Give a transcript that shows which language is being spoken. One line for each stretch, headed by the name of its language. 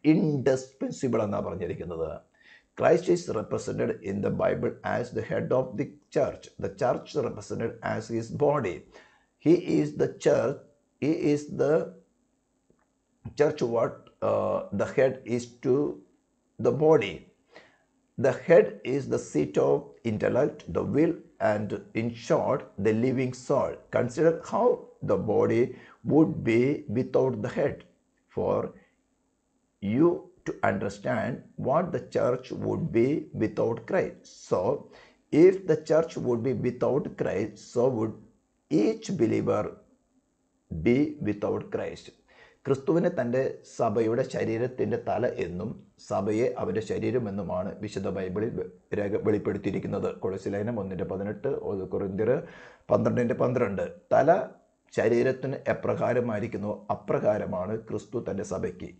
English: indispensable
Malayalam: എന്നാണ് പറഞ്ഞിരിക്കുന്നത്.
English: Christ is represented in the Bible as the head of the church. The church represented as his body. He is the church. He is the Church what the head is to the body. The head is the seat of intellect, the will, and in short, the living soul. Consider how the body would be without the head. For you to understand what the church would be without Christ. So, if the church would be without Christ, so would each believer be without Christ.
Malayalam: ക്രിസ്തുവിനെ തൻ്റെ സഭയുടെ ശരീരത്തിൻ്റെ തല എന്നും സഭയെ അവൻ്റെ ശരീരമെന്നുമാണ് വിശുദ്ധ ബൈബിളിൽ വെളിപ്പെടുത്തിയിരിക്കുന്നത്. കൊളോസ്സിലേഖനം 1:18, കൊരിന്ത്യർ 12:12. തല ശരീരത്തിന് എപ്രകാരമായിരിക്കുന്നു അപ്രകാരമാണ് ക്രിസ്തു തൻ്റെ സഭയ്ക്ക്.